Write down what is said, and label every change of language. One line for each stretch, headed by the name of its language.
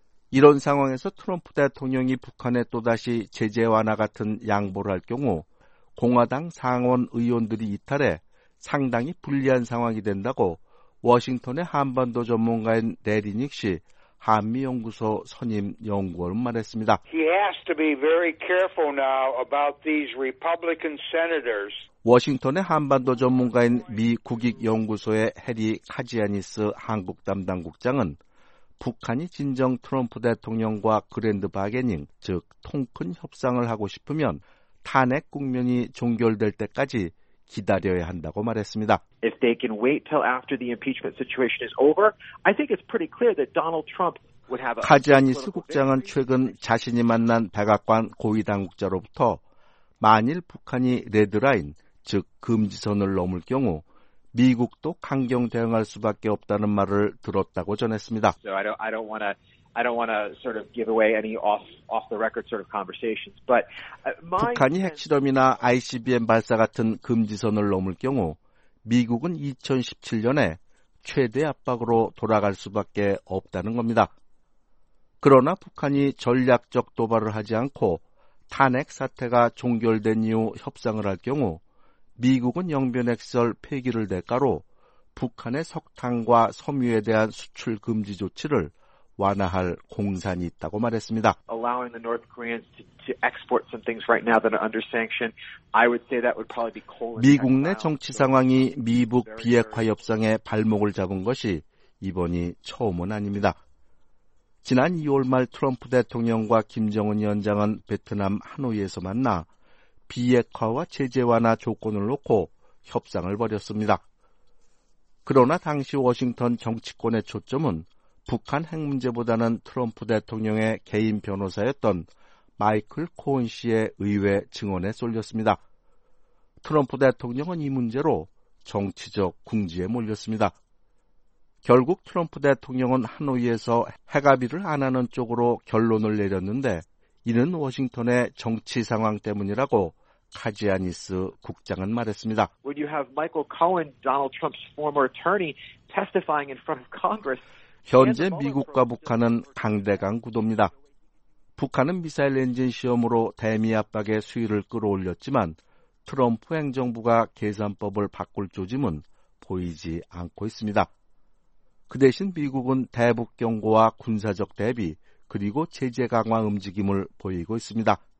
Korean: 이런 상황에서 트럼프 대통령이 북한에 또다시 제재 완화 같은 양보를 할 경우 공화당 상원 의원들이 이탈해 상당히 불리한 상황이 된다고 워싱턴의 한반도 전문가인 내리닉 씨 한미연구소 선임 연구원은 말했습니다.
English: He has to be very careful now about these Republican senators.
Korean: 워싱턴의 한반도 전문가인 미 국익연구소의 해리 카지아니스 한국 담당 국장은 북한이 진정 트럼프 대통령과 그랜드 바게닝, 즉 통 큰 협상을 하고 싶으면 탄핵 국면이 종결될 때까지 기다려야 한다고 말했습니다.
English: If they can wait till after the impeachment situation is over, I think it's pretty clear that Donald Trump would have a
Korean: 카지아니스 국장은 최근 자신이 만난 백악관 고위 당국자로부터 만일 북한이 레드라인, 즉 금지선을 넘을 경우 미국도 강경 대응할 수밖에 없다는 말을 들었다고 전했습니다.
English: So I don't want to I don't want to sort of give away any off the record sort of conversations, but
Korean: 북한이 핵실험이나 ICBM 발사 같은 금지선을 넘을 경우 미국은 2017년에 최대 압박으로 돌아갈 수밖에 없다는 겁니다. 그러나 북한이 전략적 도발을 하지 않고 탄핵 사태가 종결된 이후 협상을 할 경우 미국은 영변핵설 폐기를 대가로 북한의 석탄과 섬유에 대한 수출 금지 조치를 완화할 공산이 있다고 말했습니다.
English: Allowing the North Koreans to export some things right now that are under sanction, I would say that would probably be coal.
Korean: 미국 내 정치 상황이 미북 비핵화 협상에 발목을 잡은 것이 이번이 처음은 아닙니다. 지난 2월 말 트럼프 대통령과 김정은 위원장은 베트남 하노이에서 만나 비핵화와 제재 완화 조건을 놓고 협상을 벌였습니다. 그러나 당시 워싱턴 정치권의 초점은 북한 핵 문제보다는 트럼프 대통령의 개인 변호사였던 마이클 코언 씨의 의회 증언에 쏠렸습니다. 트럼프 대통령은 이 문제로 정치적 궁지에 몰렸습니다. 결국 트럼프 대통령은 하노이에서 핵합의를 안 하는 쪽으로 결론을 내렸는데 이는 워싱턴의 정치 상황 때문이라고 카지아니스 국장은 말했습니다.
English: When you have Michael Cohen, Donald Trump's former attorney, testifying in front of Congress.
Korean: 현재 미국과 북한은 강대강 구도입니다. 북한은 미사일 엔진 시험으로 대미 압박의 수위를 끌어올렸지만 트럼프 행정부가 계산법을 바꿀 조짐은 보이지 않고 있습니다. 그 대신 미국은 대북 경고와 군사적 대비 그리고 제재 강화 움직임을 보이고 있습니다.